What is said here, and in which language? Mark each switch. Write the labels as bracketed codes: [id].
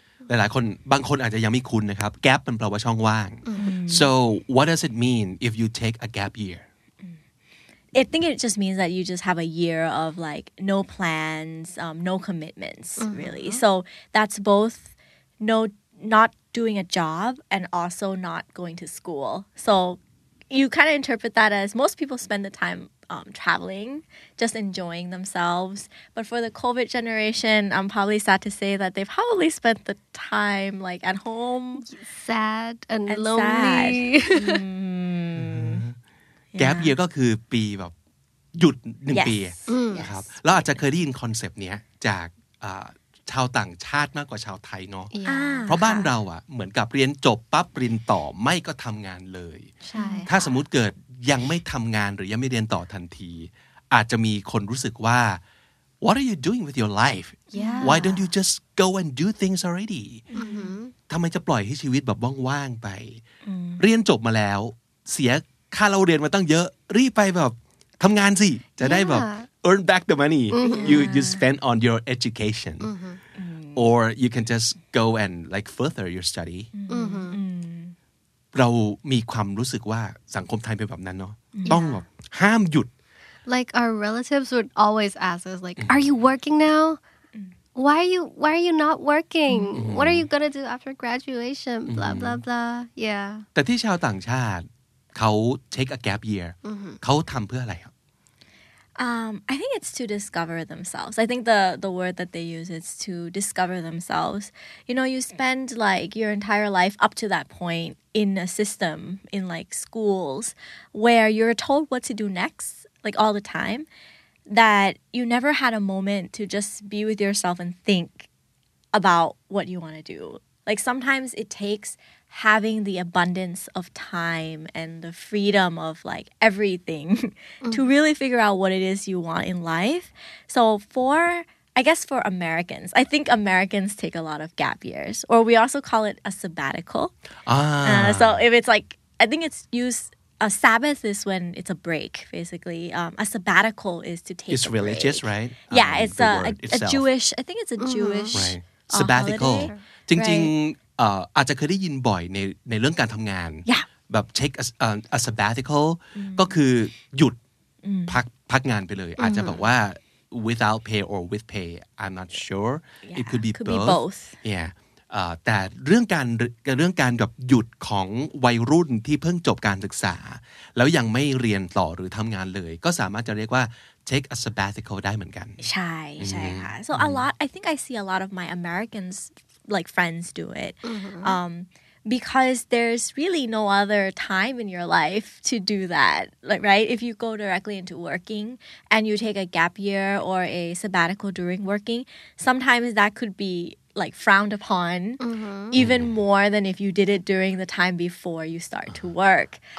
[th] หลายคนบางคนอาจจะยังไม่คุ้นนะครับ gap มันแปลว่าช่องว่าง [en] So what does it mean if you take a gap year? I think it just means that you just have a year of like no plans, no commitments, mm-hmm. really. So that's both not doing a job and also not going to school. So you kind of interpret that as most people spend the time traveling, just enjoying themselves. But for the COVID generation, I'm probably sad to say that they probably spent the time like at home. Sad and lonely. [th] แกปเยียร์ก็คือปีแบบหยุดหนึ่งปีนะครับเราอาจจะเคยได้ยินคอนเซปต์เนี้ยจากชาวต่างชาติมากกว่าชาวไทยเน า ะเพราะบ้านเราอ่ะเหมือนกับเรียนจบปั๊บปริญต่อไม่ก็ทำงานเลยถ้าสมมุติเกิดยังไม่ทำงานหรือยังไม่เรียนต่อทันทีอาจจะมีคนรู้สึกว่า [en] what are you doing with your life why don't you just go and do things already [th] ท ทำไมจะปล่อยให้ชีวิตแบบว่างๆไปเรียนจบมาแล้วเสียค่าเราเรียนมาตั้งเยอะรีบไปแบบทำงานสิจะได้แบบ [en] earn back the money you spend on your education or you can just go and like further your study [th] เรามีความรู้สึกว่าสังคมไทยเป็นแบบนั้นเนาะต้องแบบห้ามหยุด [en] like our relatives would always ask us like are you working now why are you not working what are you gonna do after graduation blah blah blah yeah [th] แต่ที่ชาวต่างชาติเขา [en] take a gap year [th] เขาทำเพื่ออะไร [en] I think it's to discover themselves. I think the word that they use is to discover themselves. You know, you spend like your entire life up to that point in a system, in like schools, where you're told what to do next, like all the time, that you never had a moment to just be with yourself and think about what you want to do. Like sometimes it takes having the abundance of time and the freedom of like everything to really figure out what it is you want in life. So for Americans, I think Americans take a lot of gap years, or we also call it a sabbatical. So if it's like, I think it's used, a Sabbath is when it's a break, basically. A sabbatical is to take a break. It's religious, right? Yeah, it's a Jewish, I think it's a Jewish right. Sabbatical. [th] จริงๆอาจจะเคยได้ยินบ่อยในเรื่องการทำงานแบบ [en] take a sabbatical [th] ก็คือหยุดพักงานไปเลยอาจจะแบบว่า [en] without pay or with pay I'm not sure it could be both yeah [th] แต่เรื่องการแบบหยุดของวัยรุ่นที่เพิ่งจบการศึกษาแล้วยังไม่เรียนต่อหรือทำงานเลยก็สามารถจะเรียกว่า take a sabbatical ได้เหมือนกัน ใช่ใช่ค่ะ [en] so a lot I think I see a lot of my AmericansLike friends do it, because there's really no other time in your life to do that. Like, right? If you go directly into working and you take a gap year or a sabbatical during working, sometimes that could be like frowned upon even more than if you did it during the time before you start to work.